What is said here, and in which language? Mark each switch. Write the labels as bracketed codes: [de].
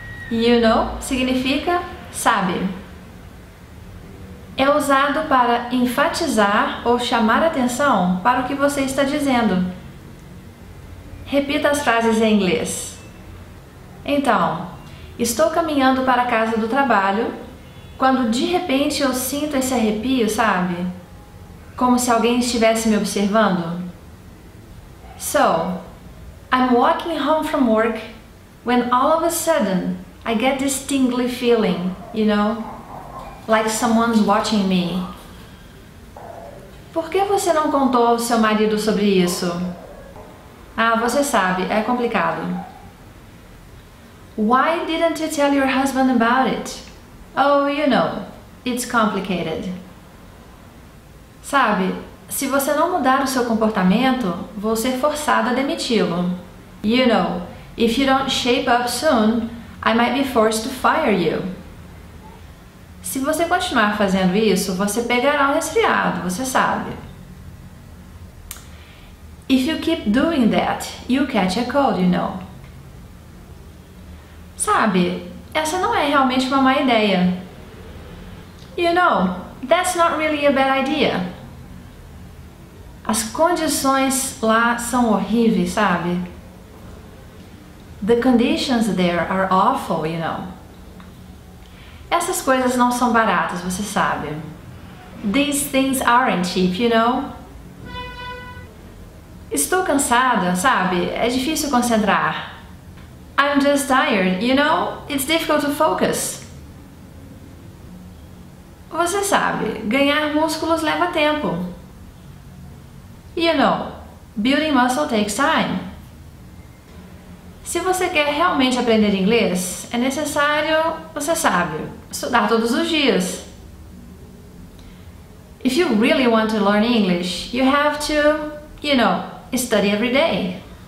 [en] You know [pt] significa sabe. É usado para enfatizar ou chamar atenção para o que você está dizendo. Repita as frases em inglês. Então, estou caminhando para a casa do trabalho quando de repente eu sinto esse arrepio, sabe? Como se alguém estivesse me observando. [en] So, I'm walking home from work when all of a sudden I get this tingly feeling, you know? Like someone's watching me. [pt] Por que você não contou ao seu marido sobre isso? Ah, você sabe, é complicado. [en] Why didn't you tell your husband about it? Oh, you know, it's complicated. [pt] Sabe, se você não mudar o seu comportamento, vou ser forçado a demiti-lo. [en] You know, if you don't shape up soon, I might be forced to fire you. [pt] Se você continuar fazendo isso, você pegará um resfriado, você sabe. [en] If you keep doing that, you catch a cold, you know. [pt] Sabe, essa não é realmente uma má ideia. [en] You know, that's not really a bad idea. [pt] As condições lá são horríveis, sabe? [en] The conditions there are awful, you know. [pt] Essas coisas não são baratas, você sabe. [en] These things aren't cheap, you know. [pt] Estou cansada, sabe? É difícil concentrar. [en] I'm just tired, you know? It's difficult to focus. [pt] Você sabe, ganhar músculos leva tempo. [en] You know, building muscle takes time. [pt] Se você quer realmente aprender inglês, é necessário, você sabe, estudar todos os dias. [en] If you really want to learn English, you have to, you know, study every day.